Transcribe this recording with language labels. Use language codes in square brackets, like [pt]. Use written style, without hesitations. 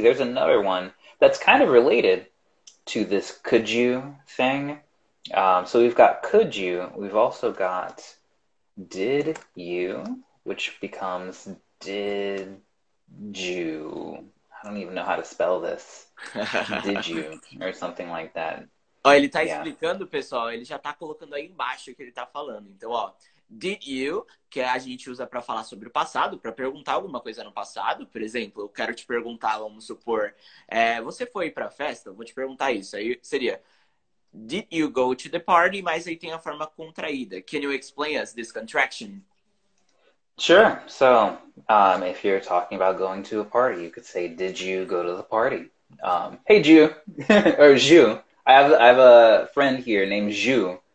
[en] There's another one that's kind of related to this could you thing. So we've got could you. We've also got did you, which becomes did you. I don't even know how to spell this. Did you? Or something like that. [pt] Oh, ele tá explicando, pessoal. Ele já tá colocando aí embaixo o que ele tá falando. Então, ó. Did you, que a gente usa pra falar sobre o passado, pra perguntar alguma coisa no passado. Por exemplo, eu quero te perguntar, vamos supor, você foi pra festa? Eu vou te perguntar isso. [en] Aí seria, did you go to the party? [pt] Mas aí tem a forma contraída. [en] Can you explain us this contraction? Sure. So, if you're talking about going to a party, you could say, did you go to the party? Hey, Ju. Or Ju. I have a friend here named Ju.